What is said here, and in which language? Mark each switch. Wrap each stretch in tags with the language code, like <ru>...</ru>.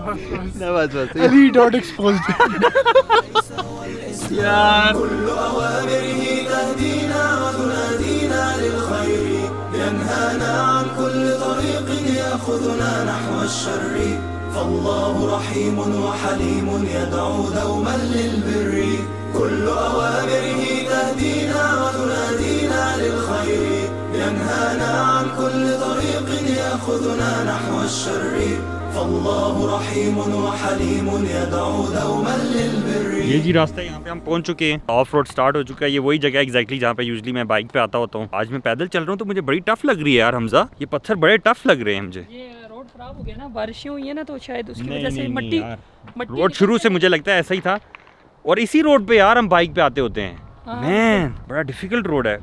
<en>Ali dot exposed,</en> <hi>जल्दी आओ late हो रहे हैं यार, आगे बहुत आगे जाना है यार।</hi> <ar>ينهانا عن كل طريق يأخذنا نحو الشر فالله رحيم وحليم يدعو دوما للبر كل أوامره تهدينا وتنادينا للخير ينهانا عن كل طريق يأخذنا نحو الشر فالله رحيم وحليم يدعو دوما للبر।</ar> <hi>ये जी रास्ता यहाँ पे हम पहुँच चुके हैं, ऑफ रोड स्टार्ट हो चुका है, ये वही जगह एग्जैक्टली जहाँ पे यूजली मैं बाइक पे आता होता हूँ, आज मैं पैदल चल रहा हूँ तो मुझे बड़ी टफ लग रही है यार हमजा, ये पत्थर बड़े टफ लग रहे हैं मुझे, ये खराब हो गया ना, बारिशें हुई है ना, तो शायद उसकी वजह से मट्टी मट्टी रोड शुरू से मुझे लगता है ऐसा ही था। और इसी रोड पे यार हम बाइक पे आते होते हैं, मैन बड़ा डिफिकल्ट रोड है।</hi>